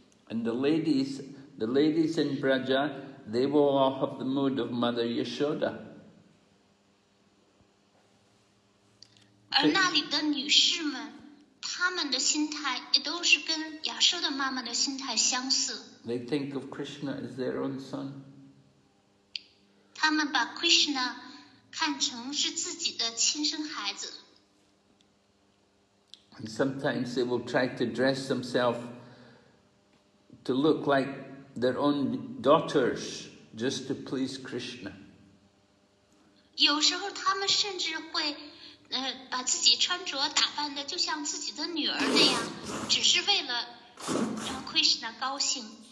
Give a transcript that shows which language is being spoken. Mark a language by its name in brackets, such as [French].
[English] And the ladies in Braja, they will all have the mood of Mother Yashoda. [Chinese] 而那里的女士们，她们的心态也都是跟亚瑟的妈妈的心态相似。 [English] They think of Krishna as their own son. [Chinese] 她们把 Krishna 看成是自己的亲生孩子。 [English] And sometimes they will try to dress themselves to look like their own daughters just to please Krishna. [Chinese] 有时候她们甚至会把自己穿着打扮的就像自己的女儿那样，只是为了让 Krishna 高兴。